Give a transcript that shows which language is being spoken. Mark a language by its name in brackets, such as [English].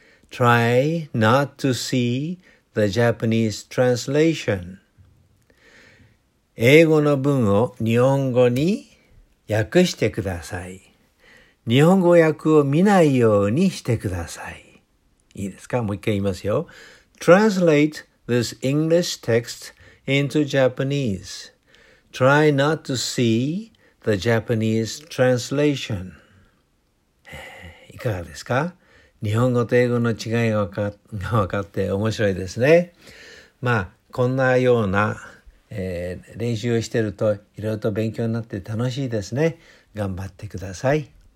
[English] Try not to see the Japanese translation. [Japanese] 英語の文を日本語に訳してください。日本語訳を見ないようにしてください。いいですか？もう一回言いますよ。 [English] Translate this English text into Japanese. Try not to see the Japanese translation. [Japanese] いかがですか？日本語と英語の違いが分かって面白いですね。まあこんなような、練習をしてるといろいろと勉強になって楽しいですね。頑張ってください。